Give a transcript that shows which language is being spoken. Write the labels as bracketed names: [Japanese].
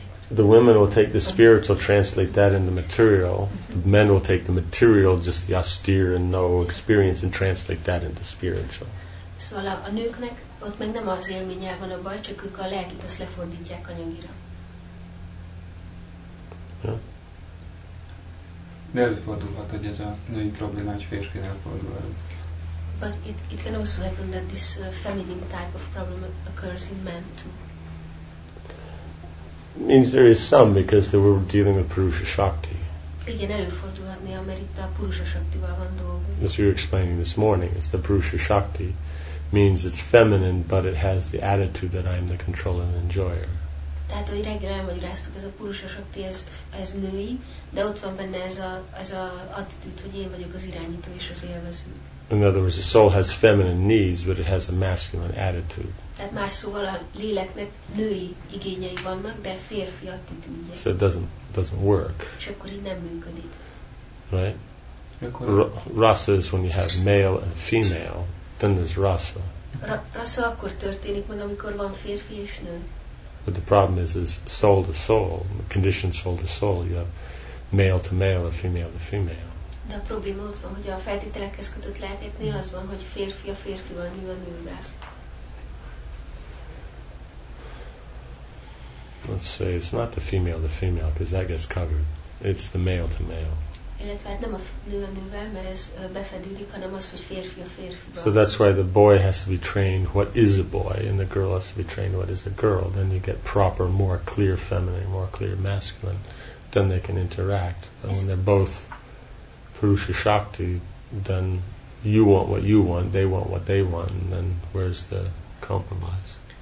[English] The women will take the spiritual, translate that into material. The men will take the material, just the austere and no experience, and translate that into spiritual. [Hungarian] Szóval a nőknek ott meg nem az élménnyel van a baj, csak ők a lelkit azt lefordítják anyagira. De előfordulhat, hogy ez a női probléma egy férfinál fordul elő. [English] But it can also happen that this feminine type of problem occurs in men too. Means there is some because they were dealing with Purusha Shakti. [Hungarian] Igen, előfordulhatnia, mert itt a Purusha Shaktival van dolgunk. [English] As we were explaining this morning, it's the Purusha Shakti means it's feminine, but it has the attitude that I am the controller and enjoyer. [Hungarian] Tehát ahogy reggel elmagyaráztuk, ez a Purusha Shakti, ez női, de ott van benne ez a attitűd, hogy én vagyok az irányító és az élvező. [English] In other words, the soul has feminine needs, but it has a masculine attitude. [Hungarian] Tehát más szóval a léleknek női igényei vannak, de férfi attitűdje. [English] So it doesn't work. [Hungarian] És akkor így nem működik. [English] Right? Rasa is when you have male and female, then there's rasa. [Hungarian] Rasa akkor történik meg, amikor van férfi és nő. [English] But the problem is soul to soul, conditioned soul to soul, you have male to male and female to female. [Hungarian] De a probléma ott van, hogy a feltételekhez kötött lelkeknél az van, hogy férfi a férfival, nő a nővel. [English] Let's say it's not the female, because that gets covered. It's the male to male. [Hungarian] Illetve nem a nő a nővel, mert ez befedődik, hanem az, hogy férfi a férfival. [English] So that's why the boy has to be trained what is a boy, and the girl has to be trained what is a girl. Then you get proper, more clear feminine, more clear masculine. Then they can interact. And when they're both Purusha Shakti, then you want what you want, they want what they want, and then where's the compromise?